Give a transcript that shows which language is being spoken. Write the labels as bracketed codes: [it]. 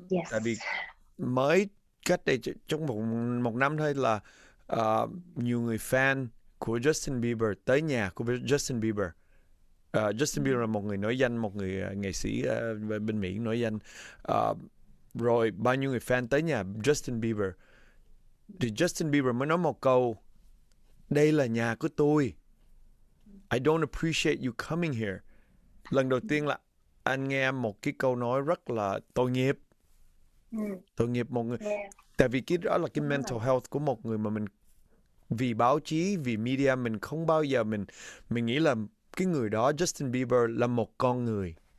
[vi] Tại vì mới cách đây trong một năm thôi là nhiều người fan của Justin Bieber tới nhà của Justin Bieber. Justin Bieber là một người nổi danh, một người nghệ sĩ bên Mỹ nổi danh. Rồi bao nhiêu người fan tới nhà Justin Bieber. Thì Justin Bieber mới nói một câu: đây là nhà của tôi. [en] I don't appreciate you coming here. [vi] Lần đầu tiên là anh nghe một cái câu nói rất là tội nghiệp. Tội nghiệp một người. Tại vì cái đó là cái mental health của một người mà mình, vì báo chí, vì media, mình không bao giờ mình nghĩ là cái người đó, Justin Bieber, là một con người.